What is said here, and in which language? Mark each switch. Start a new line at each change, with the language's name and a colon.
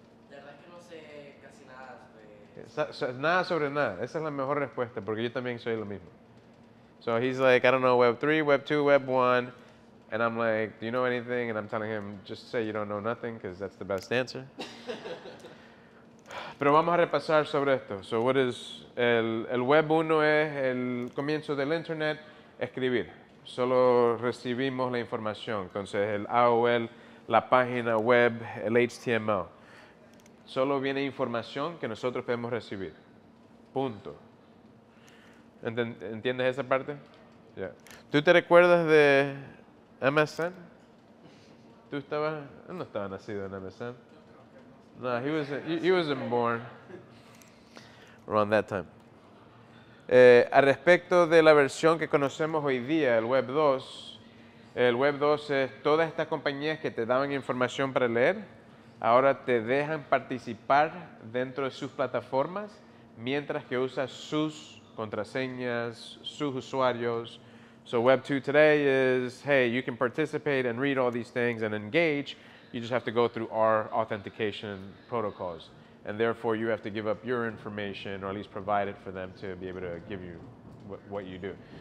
Spanish: La verdad es que no sé casi nada sobre... Nada sobre nada. Esa es la mejor respuesta, porque yo también soy lo mismo.
English: So he's like, I don't know, web 3, web 2, web 1. And I'm like, do you know anything? And I'm telling him, just say you don't know nothing, because that's the best answer.
Spanish: Pero vamos a repasar sobre esto.
English: So what is...
Spanish: El web 1 es el comienzo del internet, escribir. Solo recibimos la información. Entonces el AOL, la página web, el HTML. Solo viene información que nosotros podemos recibir. Punto. ¿Entiendes esa parte? Yeah. ¿Tú te recuerdas de MSN? ¿Tú estabas? No estaba nacido en MSN.
English: No, he wasn't born around that time.
Spanish: A respecto de la versión que conocemos hoy día, el Web 2 es todas estas compañías que te daban información para leer, ahora te dejan participar dentro de sus plataformas mientras que usas sus contraseñas, sus usuarios.
English: So Web 2 today is, hey, you can participate and read all these things and engage, you just have to go through our authentication protocols. And therefore, you have to give up your information, or at least provide it for them to be able to give you what you do.